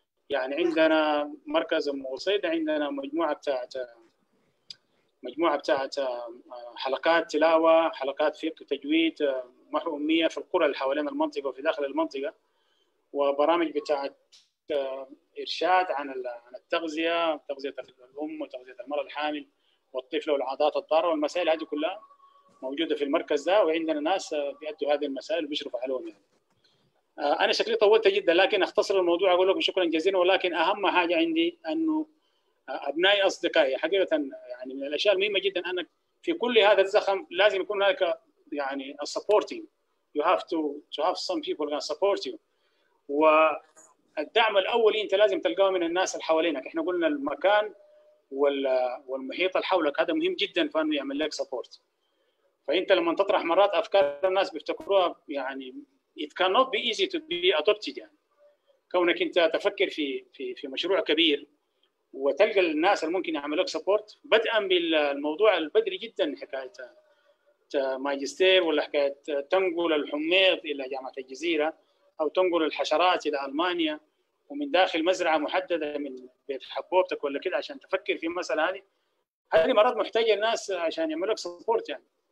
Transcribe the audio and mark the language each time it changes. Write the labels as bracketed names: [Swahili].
[Arabic] يعني عندنا مركز ام قصيده، عندنا مجموعه بتاعت حلقات تلاوه، حلقات فقه، تجويد، محو اميه في القرى اللي حوالين المنطقه وفي داخل المنطقه، وبرامج بتاعت ارشاد عن التغذيه، تغذيه الام وتغذيه المراه الحامل والطفل والعادات الضاره، والمسائل هذه كلها موجوده في المركز ده، وعندنا ناس بيأدوا هذه المسائل وبيشرفوا عليهم يعني. انا شكلي طولت جدا، لكن اختصر الموضوع اقول لكم شكرا جزيلا. ولكن اهم حاجه عندي انه ابنائي اصدقائي، حقيقه يعني من الاشياء المهمه جدا انك في كل هذا الزخم لازم يكون هناك يعني supporting. [English] You have to have some people gonna support you. [Arabic] والدعم الاولي انت لازم تلقاه من الناس اللي حوالينك. احنا قلنا المكان والمحيط اللي حولك هذا مهم جدا، فانه يعمل لك سبورت. فانت لما تطرح مرات افكار الناس بيفتكروها يعني [English] it cannot be easy to be adopted، [Arabic] يعني كونك انت تفكر في مشروع كبير وتلقى الناس اللي ممكن يعمل لك سبورت، بدءا بالموضوع البدري جدا، حكايه ماجستير ولا حكايه تنقل الحميض الى جامعه الجزيره، أو تنقل الحشرات إلى ألمانيا ومن داخل مزرعة محددة من بيت حبوبتك ولا كده عشان تفكر في المسألة هذه مرات محتاجة الناس عشان يعملوا لك سبورت يعني.